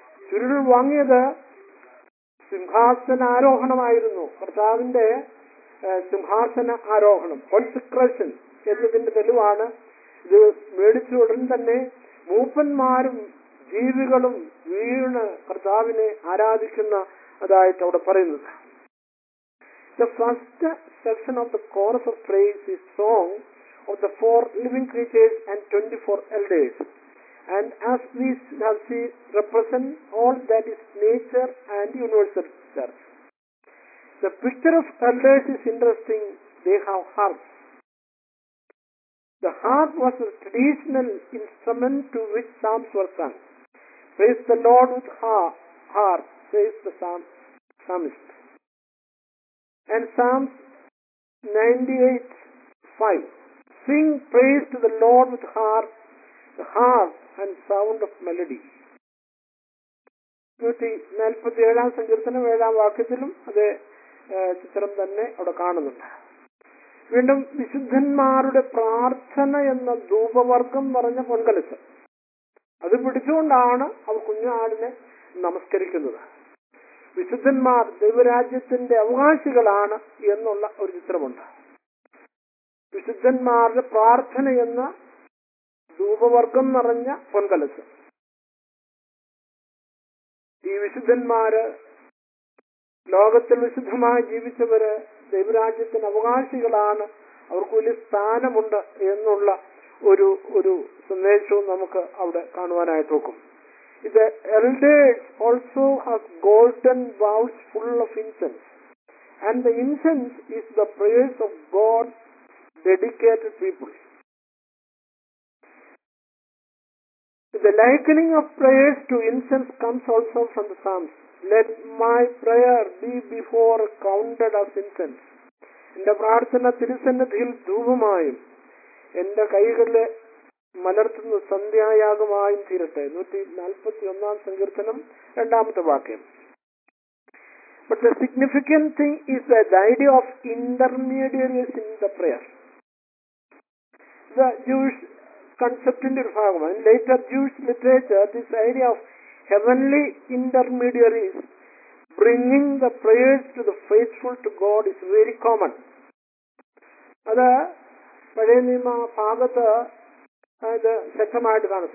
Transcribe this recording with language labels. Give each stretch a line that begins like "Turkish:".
Malayalam: ചുരുളിൽ വാങ്ങിയത് സിംഹാസനാരോഹണമായിരുന്നു. കർത്താവിന്റെ സിംഹാസന ആരോഹണം കോൺസെക്രേഷൻ എന്നതിന്റെ തെളിവാണ്. ഇത് മേടിച്ച ഉടൻ തന്നെ മൂപ്പന്മാരും ജീവികളും വീണ് കർത്താവിനെ ആരാധിക്കുന്ന അതായിട്ട് അവിടെ പറയുന്നത്.
English: The first section of the chorus of praise is song of the four living creatures and 24 elders. And as we have seen, represent all that is nature and universal itself. The picture of elders is interesting. They have harps. The harp was a traditional instrument to which psalms were sung. Praise the Lord with harp, says the psalmist. And Psalms 98:5, sing praise to the Lord with harp, the harp and sound of melody.
Malayalam: 147-ാം സങ്കീർത്തനം 7-ാം വാക്യത്തിലും അതേ ചിത്രം തന്നെ അവിടെ കാണുന്നുണ്ട്. വീണ്ടും വിശുദ്ധന്മാരുടെ പ്രാർത്ഥന എന്ന ധൂപവർഗം പറഞ്ഞ പൊൻകലശം അത് പിടിച്ചുകൊണ്ടാണ് അവർ കുഞ്ഞാടിനെ നമസ്കരിക്കുന്നത്. വിശുദ്ധന്മാർ ദൈവരാജ്യത്തിന്റെ അവകാശികളാണ് എന്നുള്ള ഒരു ചിത്രമുണ്ട്. വിശുദ്ധന്മാരുടെ പ്രാർത്ഥന എന്ന ധൂപവർഗം നിറഞ്ഞ പൊൻകലസ്. ഈ വിശുദ്ധന്മാര് ലോകത്തിൽ വിശുദ്ധമായി ജീവിച്ചവര് ദൈവരാജ്യത്തിന് അവകാശികളാണ്, അവർക്ക് വലിയ സ്ഥാനമുണ്ട് എന്നുള്ള ഒരു ഒരു സന്ദേശവും നമുക്ക് അവിടെ കാണുവാനായിട്ട് നോക്കും.
English: ഇത് elders also has golden bowls full of incense and the incense is the prayers of God dedicated people. The likening of prayers to incense comes also from the Psalms. Let my prayer be before counted as incense.
Malayalam: എന്റെ പ്രാർത്ഥന തിരുസന്നിധിയിൽ ധൂപമായും എന്റെ കൈകളിലെ മലർത്തുന്ന സന്ധ്യായാഗമായും തീരട്ടെ. 141 സങ്കീർത്തനം 2 വാക്യം.
English: But the significant thing is that the idea of intermediaries in the prayer. The Jewish
Malayalam: കൺസെപ്റ്റിന്റെ ഒരു ഭാഗമാണ്.
English: Later Jews literature this idea of heavenly intermediaries bringing the prayers to the faithful to God is very common.
Malayalam: അത് പഴയ നിയമ ഭാഗത്ത് ഇത് ശക്തമായിട്ട് കാണും.